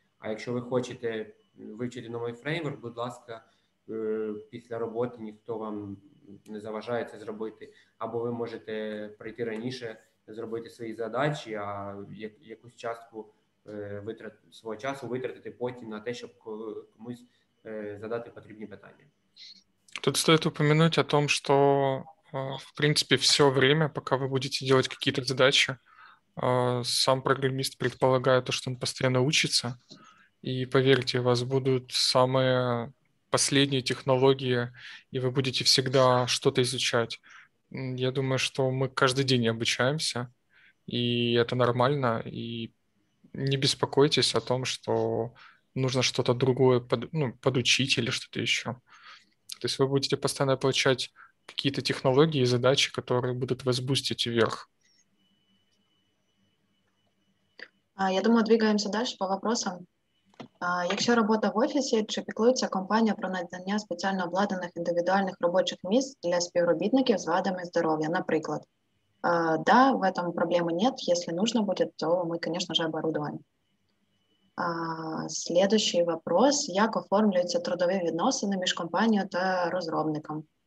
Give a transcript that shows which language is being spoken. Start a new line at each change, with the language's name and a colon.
Ukrainian: А якщо ви хочете вивчити новий фреймворк, будь ласка, після роботи ніхто вам не заважає це зробити, або ви можете прийти раніше, зробити свої задачі, а якусь частку свого часу витратити потім на те, щоб комусь задати потрібні питання.
Russian: Тут стоит упомянуть о том, что в принципе все время, пока вы будете делать какие-то задачи, сам программист предполагает то, что он постоянно учится, и поверьте, у вас будут самые последние технологии, и вы будете всегда что-то изучать. Я думаю, что мы каждый день обучаемся, и это нормально, и не беспокойтесь о том, что нужно что-то другое подучить или что-то еще. То есть вы будете постоянно получать какие-то технологии и задачи, которые будут вас бустить вверх. Я думаю, двигаемся дальше по вопросам.
Ukrainian: Якщо робота в офісі, чи піклується компанія про надання спеціально обладнаних індивідуальних робочих місць для співробітників з вадами здоров'я, наприклад?
Russian: Да, в этом проблемы нет, если нужно будет, то мы, конечно же, оборудуем. Следующий вопрос.
Ukrainian: Як оформлюються трудові відносини між компанією та розробником?